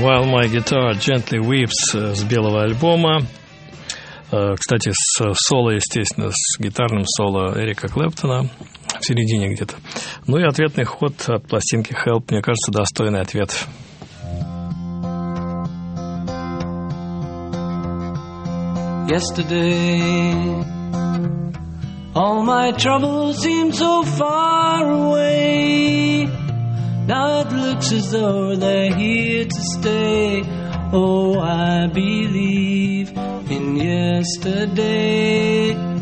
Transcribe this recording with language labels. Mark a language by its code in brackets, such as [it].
[ru] «My Guitar Gently Weeps» с белого альбома. Кстати, с соло, естественно, с гитарным соло Эрика Клэптона в середине где-то. Ну и ответный ход от пластинки «Help», мне кажется, достойный ответ. [en] Yesterday all my troubles seemed so far away. Now it looks as though they're here to stay. Oh, I believe in yesterday.